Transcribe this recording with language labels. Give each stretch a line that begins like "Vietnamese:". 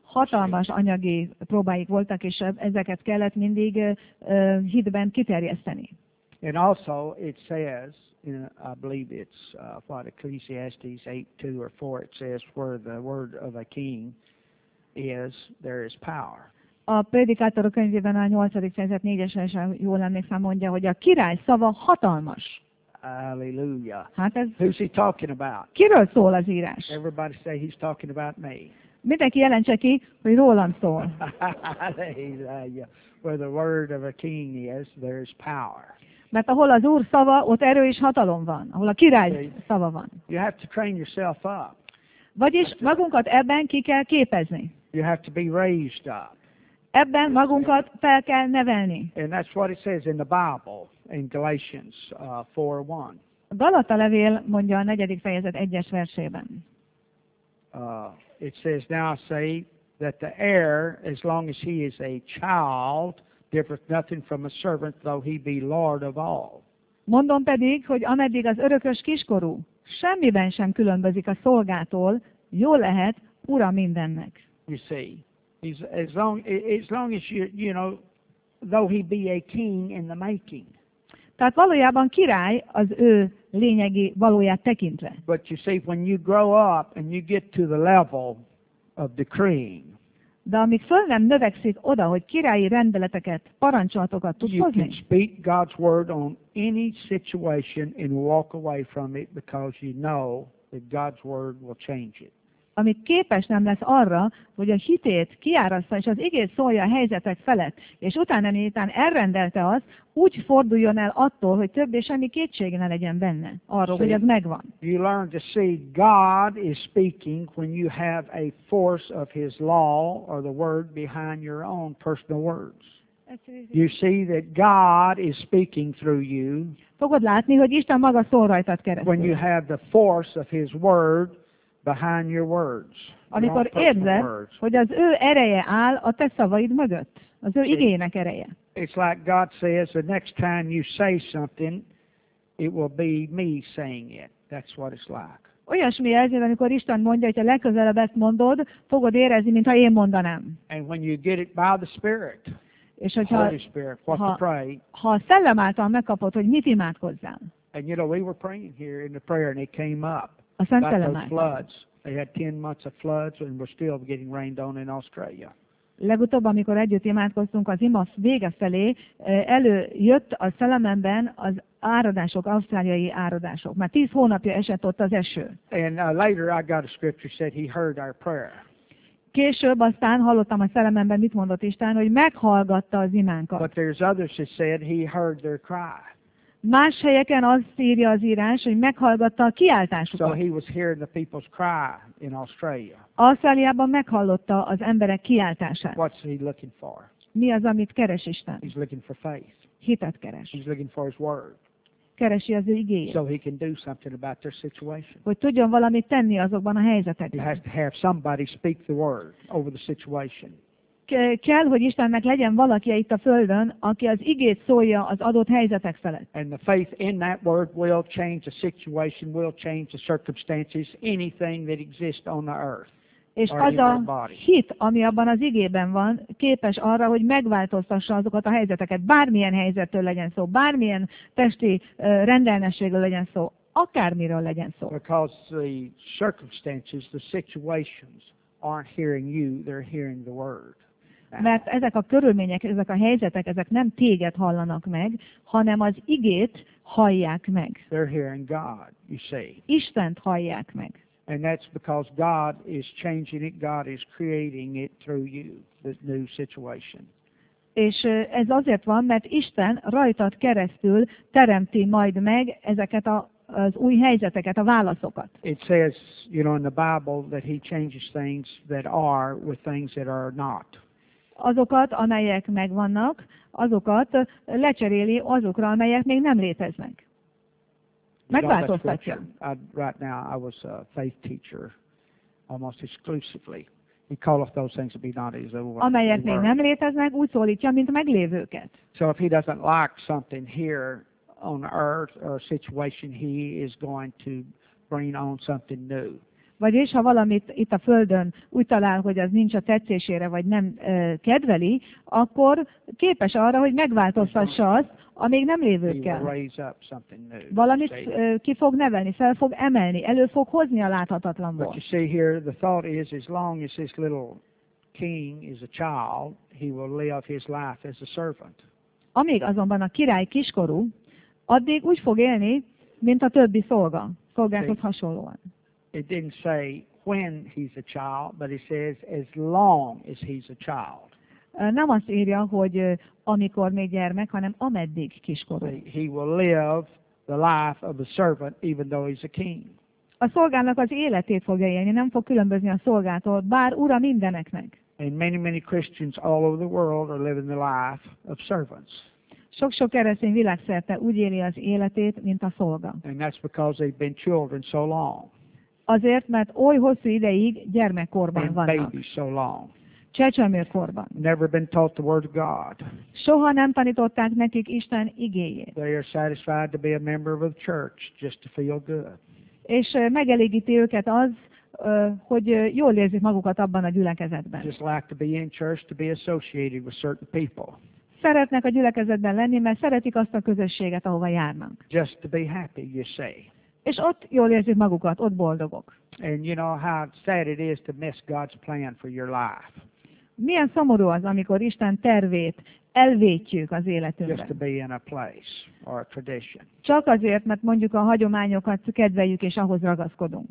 Hungarian: Hatalmas anyagi próbáik voltak, és ezeket kellett mindig hitben kiterjeszteni.
English: And also it says, in, I believe it's what Ecclesiastes 8:2 or 4, it says, where the word of a king is, there is power.
Hungarian: A Prédikátorok könyvében a 8. fejezet 4-es verse, jól emlékszem, mondja, hogy a király szava hatalmas. Hallelujah. Hát ez,
English: who's he talking about?
Hungarian: Kiről szól az írás?
English: Everybody say he's talking about me.
Hungarian: Mindenki jelentse ki, hogy rólam szól. Hallelujah.
English: Where the word of a king is, there is power.
Hungarian: Mert ahol az Úr szava, ott erő és hatalom van. Ahol a király szava van.
English: You have to train yourself up.
Hungarian: Vagyis magunkat ebben ki kell képezni.
English: You have to be raised up.
Hungarian: Ebben magunkat fel kell nevelni.
English: And that's what it says in the Bible, in Galatians 4:1.
Hungarian: A Galata levél mondja a 4. fejezet 1-es versében.
English: It says, now I say that the heir, as long as he is a child, differeth nothing from a servant, though he be lord of all.
Hungarian: Mondom pedig, hogy ameddig az örökös kiskorú, semmiben sem különbözik a szolgától, jó lehet ura mindennek.
English: You see, as long as you know, though he be a king in the making.
Hungarian: Tehát valójában király az ő lényegi valóját tekintve.
English: But you see, when you grow up and you get to the level of decreeing,
Hungarian: de amíg föl nem növekszik oda, hogy királyi rendeleteket, parancsolatokat tud hozni.
English: You can speak God's word on any situation and walk away from it because you know that God's word will change it.
Hungarian: Amíg képes nem lesz arra, hogy a hitét kiárasztja és az igét szólja a helyzetek felett, és utána miután elrendelte azt, úgy forduljon el attól, hogy többé semmi kétség ne legyen benne arról, hogy ez megvan.
English: You learn to see God is speaking when you have a force of his law or the word behind your own personal words. You see that God is speaking through you.
Hungarian: Fogod látni, hogy Isten maga szól rajtad keresztül.
English: When you have the force of his word behind your words.
Hungarian: Amikor érzed, hogy az ő ereje áll a te szavaid mögött, az ő igéjének ereje.
English: It's like God says, the next time you say something, it will be me saying it. That's what it's like.
Hungarian: Olyasmi érzed, amikor Isten mondja, hogy a legközelebb ezt mondod, fogod érezni, mintha én mondanám.
English: And when you get it by the Spirit,
Hungarian: és hogyha,
English: Holy Spirit, what to pray.
Hungarian: Ha a szellem által megkapod, hogy mit imádkozzam.
English: And you know, we were praying here in the prayer and it came up.
Hungarian: A Szent Szellem által. Floods.
English: They had 10 months of floods and we're still getting rained on in Australia.
Hungarian: Legutóbb, amikor együtt imádkoztunk, az ima vége felé előjött a szellememben az áradások, ausztráliai áradások. Már 10 hónapja esett ott az eső.
English: And later I got a scripture said he heard our prayer.
Hungarian: Később aztán hallottam a szellememben, mit mondott Isten, hogy meghallgatta az imánkat.
English: But there's others that said he heard their cry.
Hungarian: Más helyeken azt írja az írás, hogy meghallgatta a kiáltásukat.
English: So he was hearing the people's cry in Australia.
Hungarian: Ausztráliában meghallotta az emberek kiáltását.
English: What's he looking for?
Hungarian: Mi az, amit keres Isten?
English: He's looking for faith.
Hungarian: Hitet keres.
English: He's looking for his word.
Hungarian: Keresi az ő igéjét.
English: So he can do something about their situation.
Hungarian: Hogy tudjon valamit tenni azokban a helyzetekben.
English: He has to have somebody speak the word over the situation.
Hungarian: Kell, hogy Istennek legyen valaki itt a Földön, aki az igét szólja az adott helyzetek felett.
English: And the faith in that word will change the situation, will change the circumstances, anything that exists on the earth.
Hungarian: És az a hit, ami abban az igében van, képes arra, hogy megváltoztassa azokat a helyzeteket, bármilyen helyzettől legyen szó, bármilyen testi rendellenességről legyen szó, akármiről legyen szó.
English: Because the circumstances, the situations aren't hearing you, they're hearing the word.
Hungarian: Mert ezek a körülmények, ezek a helyzetek, ezek nem téged hallanak meg, hanem az igét hallják meg.
English: They're hearing God, you see.
Hungarian: Istent hallják meg.
English: And that's because God is changing it, God is creating it through you, this new situation.
Hungarian: És ez azért van, mert Isten rajtad keresztül teremti majd meg ezeket az új helyzeteket, a válaszokat.
English: It says, you know, in the Bible that he changes things that are with things that are not.
Hungarian: Azokat, amelyek megvannak, azokat lecseréli azokra, amelyek még nem léteznek.
English: Right now, I was a faith teacher, almost exclusively. He calleth those things to be not as they were.
Hungarian: Amelyek még nem léteznek, úgy szólítja, mint meglévőket.
English: So if he doesn't like something here on earth or a situation, he is going to bring on something new.
Hungarian: Vagyis ha valamit itt a Földön úgy talál, hogy az nincs a tetszésére, vagy nem kedveli, akkor képes arra, hogy megváltoztassa azt, a még nem lévőkkel. Valamit ki fog nevelni, fel fog emelni, elő fog hozni a láthatatlanból.
English: But you see here, the thought is, as long as this little king is a child, he will live his life as a servant.
Hungarian: Amíg azonban a király kiskorú, addig úgy fog élni, mint a többi szolga, szolgákhoz hasonlóan.
English: It didn't say when he's a child, but it says as long as he's a child.
Hungarian: Nem azt írja, hogy amikor még gyermek, hanem ameddig kiskorú.
English: He will live the life of a servant, even though he's a king.
Hungarian: A szolgának az életét fogja élni, nem fog különbözni a szolgától, bár ura mindeneknek.
English: And many, many Christians all over the world are living the life of servants.
Hungarian: Sok-sok keresztény világszerte úgy éli az életét, mint a szolga.
English: And that's because they've been children so long.
Hungarian: Azért, mert oly hosszú ideig gyermekkorban vannak.
English: And babies so long.
Hungarian: Csecsemőkorban.
English: Never been taught the word of God.
Hungarian: Soha nem tanították nekik Isten igéjét.
English: They are satisfied to be a member of a church just to feel good.
Hungarian: És megelégíti őket az, hogy jól érzik magukat abban a gyülekezetben.
English: Just like to be in church to be associated with certain people.
Hungarian: Szeretnek a gyülekezetben lenni, mert szeretik azt a közösséget, ahova járnak.
English: Just to be happy, you say.
Hungarian: És ott jól érzik magukat, ott boldogok.
English: And you know how sad it is to miss God's plan for your life.
Hungarian: Milyen szomorú az, amikor Isten tervét elvétjük az életünkben.
English: Just to be in a place or a tradition.
Hungarian: Csak azért, mert mondjuk a hagyományokat kedveljük és ahhoz ragaszkodunk.